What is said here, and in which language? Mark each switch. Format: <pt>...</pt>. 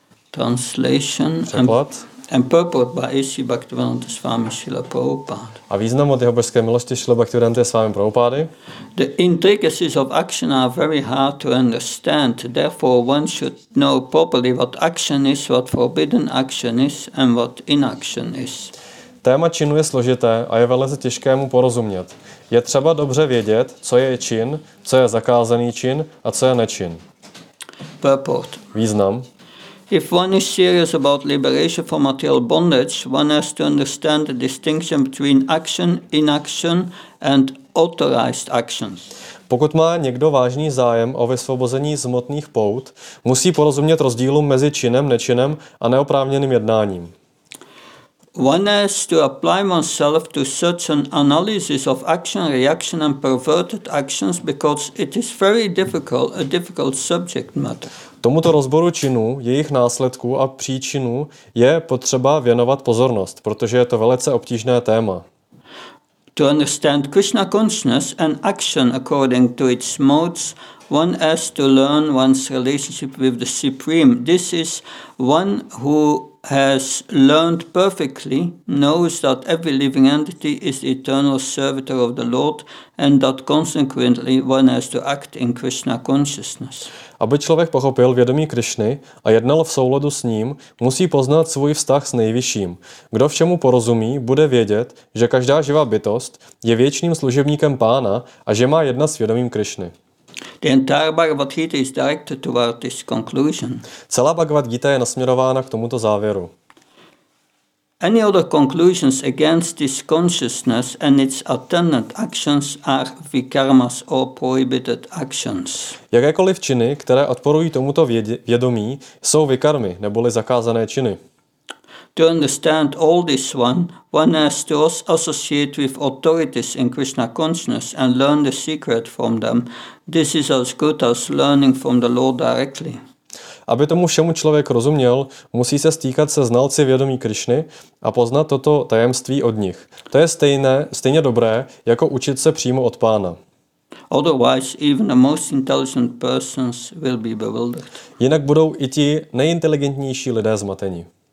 <en>Translation and purport by Issi Bhaktivedanta Swami Srila Prabhupada.</en> <cs>A význam od jeho božské milosti Srila Bhaktivedanta Swami Prabhupada.</cs> <en>The intricacies of action are very hard to understand. Therefore, one should know properly what action is, what forbidden action is, and what inaction is.</en> <cs>Téma činu je složité a je velice těžké mu porozumět. Je třeba dobře vědět, co je čin, co je zakázaný čin a co je nečin.</cs> <en>Purport.</en> <cs>Význam.</cs> <en>If one is serious about liberation from material bondage, one has to understand the distinction between action, inaction and authorized actions.</en> <cs>Pokud má někdo vážný zájem o vysvobození z hmotných pout, musí porozumět rozdílu mezi činem, nečinem a neoprávněným jednáním.</cs> <en>One has to apply oneself to such an analysis of action, reaction and perverted actions because it is very difficult, a difficult subject matter.</en> <cs>Tomuto rozboru činů, jejich následků a příčinů je potřeba věnovat pozornost, protože je to velice obtížné téma.</cs> <en>To understand Krishna consciousness and action according to its modes, one has to learn one's relationship with the Supreme. This is one who has learned perfectly, knows that every living entity is the eternal servitor of the Lord and that consequently one has to act in Krishna consciousness.</en> <cs>Aby člověk pochopil vědomí Krišny a jednal v souladu s ním, musí poznat svůj vztah s nejvyšším. Kdo všemu porozumí, bude vědět, že každá živá bytost je věčným služebníkem pána a že má jednat s vědomím Krišny.</cs> <en>The entire Bhagavad Gita is directed toward this conclusion.</en> <cs>Celá Bhagavad Gita je nasměrována k tomuto závěru.</cs> <en>Any other conclusions against this consciousness and its attendant actions are vikarmas or prohibited actions.</en> <cs>Jakékoliv činy, které odporují tomuto vědomí, jsou vikarmy, neboli zakázané činy.</cs> <en>To understand all this one has to associate with authorities in Krishna consciousness and learn the secret from them. This is as good as learning from the Lord directly.</en> <cs>Aby tomu všemu člověk rozuměl, musí se stýkat se znalci vědomí Krišny a poznat toto tajemství od nich. To je stejně dobré, jako učit se přímo od pána.</cs> <en>Otherwise, even the most intelligent persons will be bewildered.</en> <cs>Jinak budou i ti nejinteligentnější lidé zmateni.</cs>